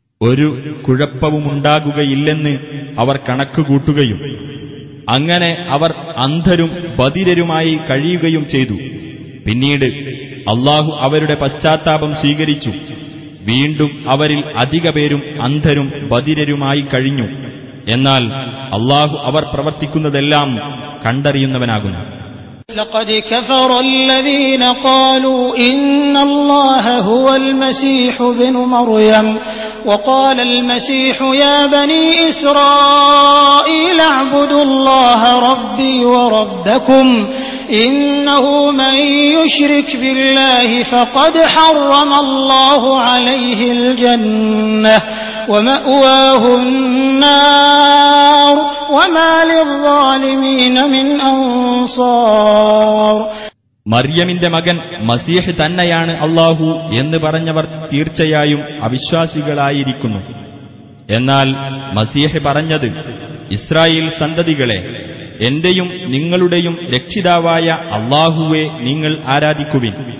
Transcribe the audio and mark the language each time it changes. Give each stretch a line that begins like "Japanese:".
Malayalam: ഒരു കുഴപ്പവുമുണ്ടാകുകയില്ലെന്ന് അവർ കണക്കുകൂട്ടുകയും അങ്ങനെ അവർ അന്ധരും ബധിരരുമായി കഴിയുകയും ചെയ്തു. പിന്നീട് അല്ലാഹു അവരുടെ പശ്ചാത്താപം സ്വീകരിച്ചു. വീണ്ടും അവരിൽ അധിക പേരും അന്ധരും ബധിരരുമായി കഴിഞ്ഞു. എന്നാൽ അല്ലാഹു അവർ പ്രവർത്തിക്കുന്നതെല്ലാം കണ്ടറിയുന്നവനാകുന്നു.
Arabic: لقد كفر الذين قالوا إن الله هو المسيح ابن مريم وقال المسيح يا بني إسرائيل اعبدوا الله ربي وربكم إنه من يشرك بالله فقد حرم الله عليه الجنة ومأواه النار وما للظالمين من أنصار
Malayalam: മറിയമിന്റെ മകൻ മസീഹ് തന്നെയാണ് അള്ളാഹു എന്ന് പറഞ്ഞവർ തീർച്ചയായും അവിശ്വാസികളായിരിക്കുന്നു. എന്നാൽ മസീഹ് പറഞ്ഞത്, ഇസ്രായേൽ സന്തതികളെ, എന്റെയും നിങ്ങളുടെയും രക്ഷിതാവായ അള്ളാഹുവെ നിങ്ങൾ ആരാധിക്കുവിൻ.